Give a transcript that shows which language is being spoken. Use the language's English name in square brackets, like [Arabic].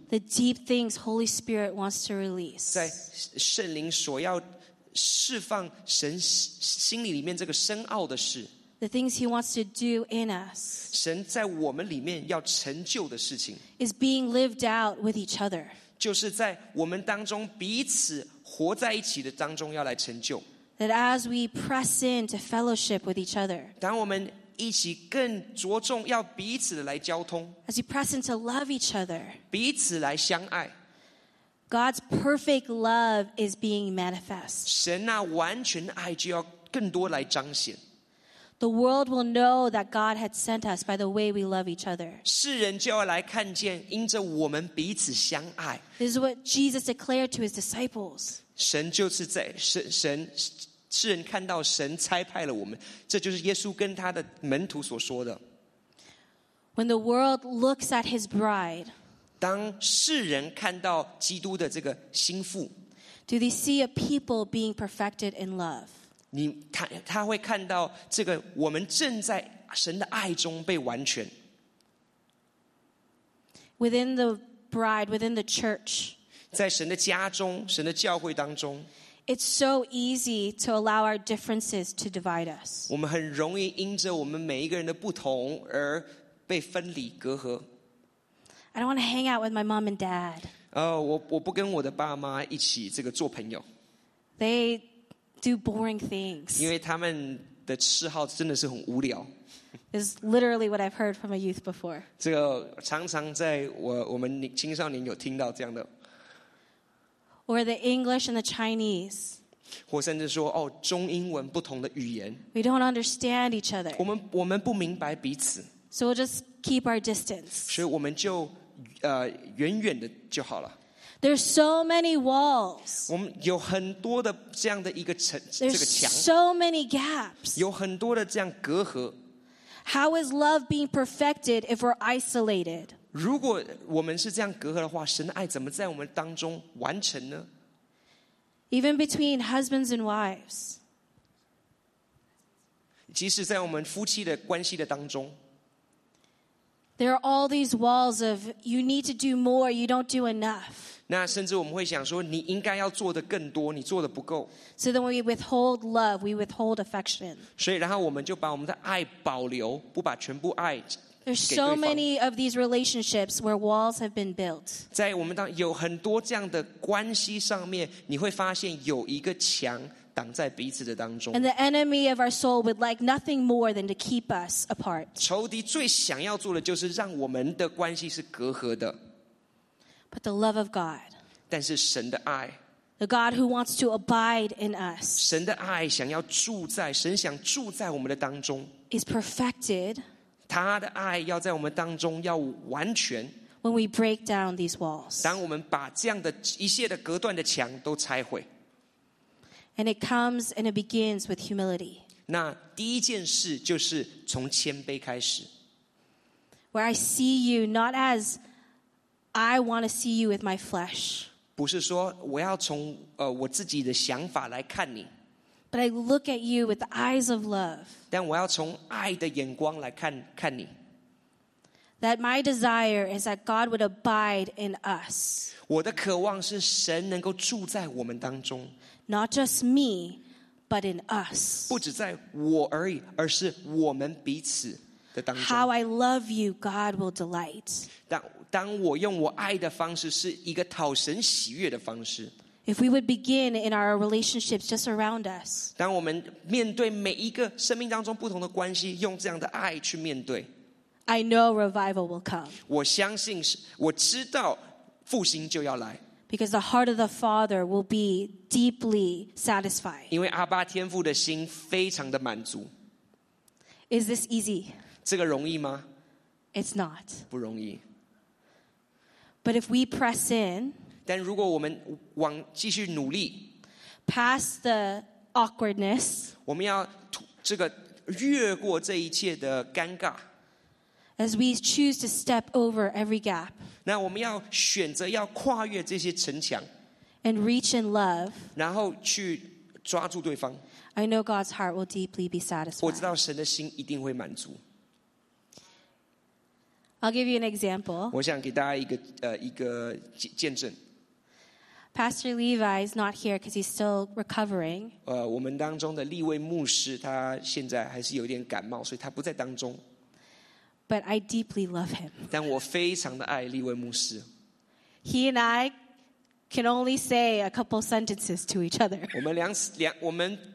[English] The deep things Holy Spirit wants to release. [Chinese] 在圣灵所要释放神心里面这个深奥的事。 [English] The things he wants to do in us. [Chinese] 神在我们里面要成就的事情。 [English] Is being lived out with each other. [Chinese] 就是在我们当中彼此活在一起的当中要来成就。 [English] That as we press in to fellowship with each other. [Chinese] 当我们一起更着重要彼此的来交通。 [English] As we press in to love each other. [Chinese] 彼此来相爱。 [English] God's perfect love is being manifest. [Chinese] 神那完全爱就要更多来彰显。 [English] The world will know that God had sent us by the way we love each other. [Chinese] 世人就要来看见，因着我们彼此相爱。 [English] This is what Jesus declared to his disciples. [Chinese] 神就是在神世人看到神差派了我们，这就是耶稣跟他的门徒所说的。 [English] When the world looks at his bride, [Chinese] 当世人看到基督的这个心腹， [English] do they see a people being perfected in love? [Chinese] 他会看到这个我们正在神的爱中被完全。 [English] Within the bride, within the church, [Chinese] 在神的家中，神的教会当中。 [English] It's so easy to allow our differences to divide us. [Chinese] 我们很容易因着我们每一个人的不同而被分离隔阂。 [English] I don't want to hang out with my mom and dad. [Chinese] 我不跟我的爸妈一起这个做朋友。 [English] They do boring things. [Chinese] 因为他们的嗜好真的是很无聊。 [English] Is literally what I've heard from a youth before. [Chinese] 这个常常在我们青少年有听到这样的。 [English] Or the English and the Chinese. [Chinese] 或甚至说，哦，中英文不同的语言。 [English] We don't understand each other. [Chinese] 我们不明白彼此。 [English] So we'll just keep our distance. [Chinese] 所以我们就远远的就好了。 [English] There's so many walls. [Chinese] 我们有很多的这样的一个墙。 [English] There's so many gaps. [Chinese] 有很多的这样隔阂。 [English] How is love being perfected if we're isolated? [Chinese] 如果我们是这样隔阂的话，神的爱怎么在我们当中完成呢？ [English] Even between husbands and wives. [Chinese] 即使在我们夫妻的关系的当中。 [English] There are all these walls of you need to do more, you don't do enough. [Chinese] 那甚至我们会想说，你应该要做的更多，你做的不够。 [English] So then we withhold love, we withhold affection. [Chinese] 所以然后我们就把我们的爱保留，不把全部爱给对方。 [English] There's so many of these relationships where walls have been built. [Chinese] 在我们当有很多这样的关系上面，你会发现有一个墙挡在彼此的当中。 [English] And the enemy of our soul would like nothing more than to keep us apart. [Chinese] 仇敌最想要做的就是让我们的关系是隔阂的。 [English] But the love of God. [Chinese] 但是神的爱。 [English] The God who wants to abide in us. [Chinese] 神的爱想要住在，神想住在我们的当中。 [English] Is perfected. [Chinese] 他的爱要在我们当中要完全。 [English] When we break down these walls. [Chinese] 当我们把这样的一切的隔断的墙都拆毁。 [English] And it comes and it begins with humility. [Chinese] 那第一件事就是从谦卑开始。 [English] Where I see you not as I want to see you with my flesh. [Chinese] 不是说我要从我自己的想法来看你。 [English] But I look at you with the eyes of love. [Chinese] 但我要从爱的眼光来看看你。 [English] That my desire is that God would abide in us. [Chinese] 我的渴望是神能够住在我们当中。 [English] Not just me, but in us. [Chinese] 不只在我而已，而是我们彼此。 [English] How I love you, God will delight. [Chinese] 当我用我爱的方式是一个讨神喜悦的方式。 [English] If we would begin in our relationships just around us. [Chinese] 当我们面对每一个生命当中不同的关系，用这样的爱去面对。 [English] I know revival will come. [Chinese] 我相信，我知道复兴就要来。 [English] Because the heart of the Father will be deeply satisfied. [Chinese] 因为阿爸天父的心非常的满足。 [English] Is this easy? [Chinese] 这个容易吗？ [English] It's not. [Chinese] 不容易。 [English] But if we press in, [Chinese] 但如果我们往继续努力， [English] past the awkwardness, [Chinese] 我们要这个越过这一切的尴尬， [English] as we choose to step over every gap, [Chinese] 那我们要选择要跨越这些城墙， [English] and reach in love, [Chinese] 然后去抓住对方， [English] I know God's heart will deeply be satisfied. [Chinese] 我知道神的心一定会满足。 [English] I'll give you an example. [Chinese] 我想给大家一个见证。 [English] Pastor Levi is not here because he's still recovering. [Chinese] 我们当中的立位牧师他现在还是有点感冒，所以他不在当中。 [English] But I deeply love him. [Chinese] 但我非常的爱立位牧师。 [English] He and I can only say a couple sentences to each other.